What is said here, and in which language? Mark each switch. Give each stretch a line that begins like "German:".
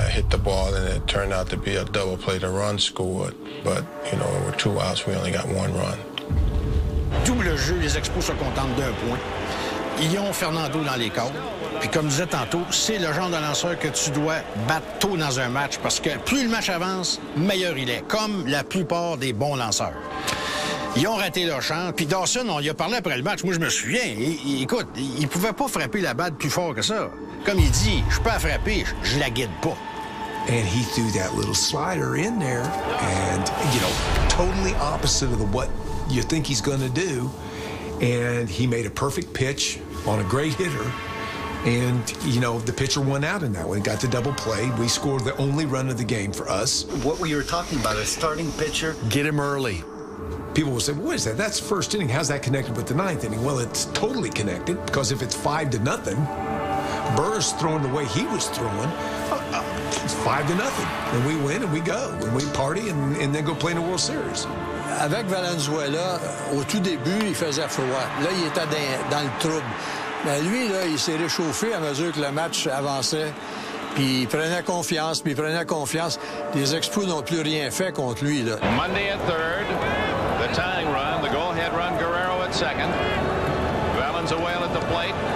English: The ball and it turned out to be a double play. The run scored, but you know, with two outs, we only got one run.
French: Double jeu, les Expos se contentent d'un point. Ils ont Fernando dans les cordes. Puis comme disait tantôt, c'est le genre de lanceur que tu dois battre tôt dans un match parce que plus le match avance, meilleur il est, comme la plupart des bons lanceurs. Ils ont raté leur chance. Puis Dawson, on y a parlé après le match. Moi, je me souviens. Écoute, il pouvait pas frapper la balle plus fort que ça. Comme il dit, je peux la frapper, je la guide pas.
English: And he threw that little slider in there and, you know, totally opposite of the, what you think he's going to do. And he made a perfect pitch on a great hitter. And, you know, the pitcher went out in that one, got the double play. We scored the only run of the game for us. What we were talking about, a starting pitcher. Get him early. People will say, well, what is that? That's first inning. How's that connected with the ninth inning? Well, it's totally connected because if it's 5-0, Burr's throwing the way he was throwing. It's 5-0. And we win and we go. And we party and then go play in the World Series.
French: Avec Valenzuela, au tout début, il faisait froid. Là, il était dans le trouble. Mais lui, là, il s'est réchauffé à mesure que le match avançait. Puis il prenait confiance, puis il prenait confiance. Les Expos n'ont plus rien fait contre lui. Là.
English: Monday at third, the tying run, the go-ahead run, Guerrero at second. Valenzuela at the plate.